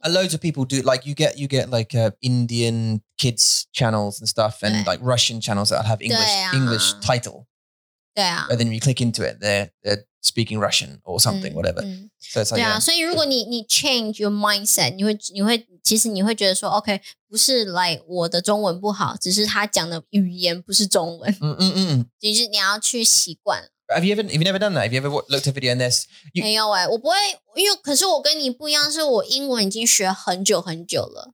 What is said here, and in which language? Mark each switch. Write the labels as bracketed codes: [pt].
[en] A loads of people do like you get like Indian kids channels and stuff, and like Russian channels that have English title. [zh] 对啊。 [en] But then you click into it, they're speaking Russian or something, whatever. So it's like, [zh] 对啊，所以如果你 [en] change your mindset, [zh] 你会。其实你会觉得说 OK 不是 like 我的中文不好只是他讲的语言不是中文 就是你要去习惯 [en] Have you ever done that? Have you ever looked at a video and this? [zh] 没有耶，我不会，因为可是我跟你不一样，是我英文已经学很久很久了。